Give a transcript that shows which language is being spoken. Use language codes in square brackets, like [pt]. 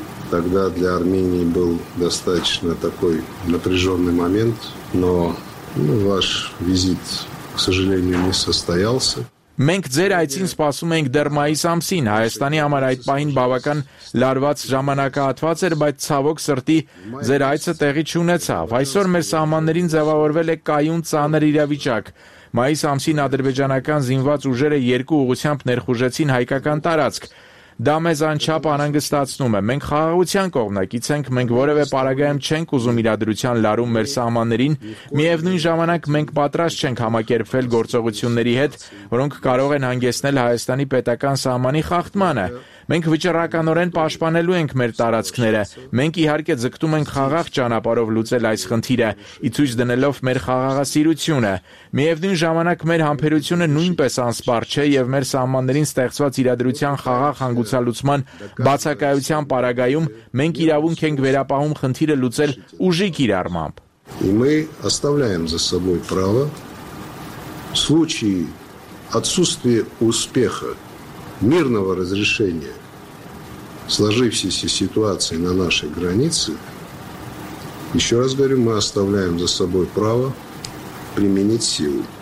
[ru] Тогда для Армении был достаточно такой напряженный момент, но ваш визит, к сожалению, не состоялся. [hy] Մենք ձեր այցին սպասում ենք դեռ մայիս ամսին։ Հայաստանի համար այդ պահին բավական լարված ժամանակահատված էր, բայց ցավոք սրտի ձեր այցը տեղի չունեցավ։ Այսօր մեր սահմաններին ձևավորվել է կայուն ծանր իրավիճակ։ Մայիս ամսին ադրբեջանական զինված ուժերը երկու ուղությամբ ներխուժեցին հայկական տարածք։ Դա մեզ անչափ անհանգստացնում է։ Մենք խաղաղության կողմնակից ենք, մենք որևէ պարագայում չենք ուզում իրադրության լարում մեր սահմաններին, միևնույն ժամանակ մենք պատրաստ չենք համակերպվել գործողությունների հետ, որոնք կարող են հանգեցնել Հայաստանի պետական սահմանի խախտմանը։ Մենք վճռականորեն պաշտպանելու ենք մեր տարածքները։ Մենք իհարկե ձգտում ենք խաղաղ ճանապարհով լուծել այս խնդիրը, ի ցույց դնելով մեր խաղաղասիրությունը։ Միևնույն ժամանակ մեր համբերությունը նույնպես անսպառ չէ եւ մեր սահմաններին ստեղծված իրադրության խաղաղ հանգուցալուծման բացակայության պարագայում մենք իրավունք ենք վերապահում խնդիրը լուծել ուժի կիրառմամբ։ Մենք [ru] оставляем за собой право в случае отсутствия успеха мирного разрешения сложившейся ситуации на нашей границе, еще раз говорю, мы оставляем за собой право применить силу.